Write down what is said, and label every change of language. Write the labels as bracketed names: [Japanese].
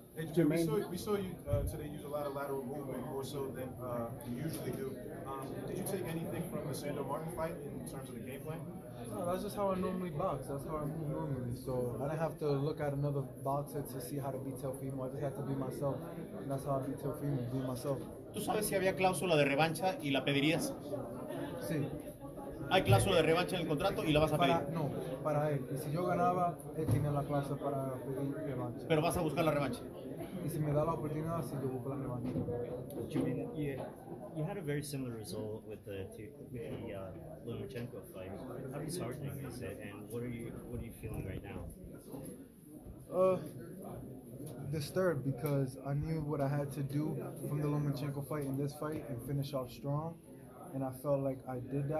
[English] Hey, Jamaine, we saw you today use a lot of lateral movement, more so than you usually do. Did you take anything from the Sandro Martin fight in terms of the game plan? No, that's just how I normally box. That's how I move normally. So I didn't have to look at another boxer to see how to beat Teofimo. I just had to be myself. And that's how I beat Teofimo, be myself. [Spanish] ¿Tú sabes si había cláusula de revancha y la pedirías? Sí. ¿Hay cláusula de revancha en el contrato y la vas a pedir? No, para él. Y si yo ganaba, él tiene la cláusula para pedir revancha. ¿Pero vas a buscar la revancha? Y si me da la oportunidad, sí, yo busco la revancha. [English] You had a very similar result with the Lomachenko fight. How disheartening is it, and what are you feeling right now? Disturbed, because I knew what I had to do from the Lomachenko fight in this fight and finish off strong, and I felt like I did that.